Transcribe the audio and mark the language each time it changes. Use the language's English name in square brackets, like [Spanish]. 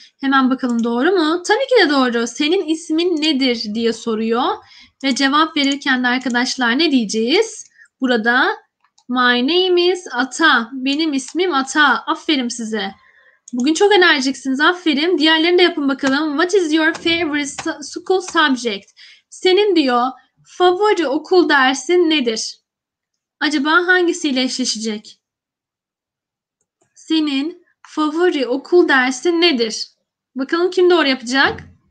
[Turkish] Hemen bakalım doğru mu? Tabii ki de doğru. Senin ismin nedir diye soruyor. Ve cevap verirken de arkadaşlar ne diyeceğiz? Burada [English] My name is Ata. [Turkish] Benim ismim Ata. Aferin size. Bugün çok enerjiksiniz. Aferin. Diğerlerini de yapın bakalım. [English] What is your favorite school subject? [Turkish] Senin diyor favori okul dersin nedir? Acaba hangisiyle eşleşecek? Senin favori okul dersin nedir? Bakalım kim doğru yapacak?